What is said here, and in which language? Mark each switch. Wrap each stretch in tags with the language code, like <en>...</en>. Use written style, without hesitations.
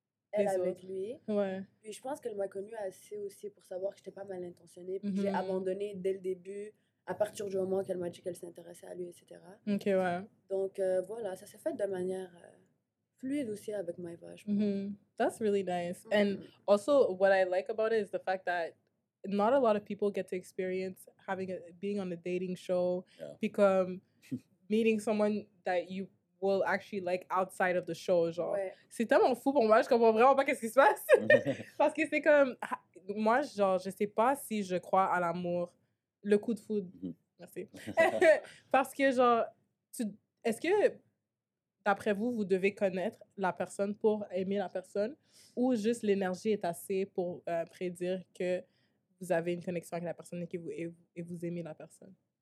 <fr>Elle avec lui. Ouais. Puis je pense qu'elle m'a connue assez aussi pour savoir que j'étais pas mal intentionnée. Puis j'ai abandonné dès le début, à partir du moment qu'elle m'a dit qu'elle s'intéressait à lui, etc. Ok, ouais. Donc voilà, ça s'est fait de manière fluide aussi avec Maëva, je pense.</fr> <en>Mm-hmm. That's really nice. Mm-hmm. And also, what I like about it is the fact that not a lot of people get to experience being on a dating show, become meeting someone that you will actually like outside of the show,</en> <fr>genre. Ouais. C'est tellement fou pour moi, je comprends vraiment pas qu'est-ce qui se passe. Parce que c'est comme, moi, genre, je sais pas si je crois à l'amour, le coup de foudre. Merci. Parce que, genre, est-ce que, d'après vous, vous devez connaître la personne pour aimer la personne, ou juste l'énergie est assez pour prédire que vous avez une connexion avec la personne et que vous aimez la personne?</fr>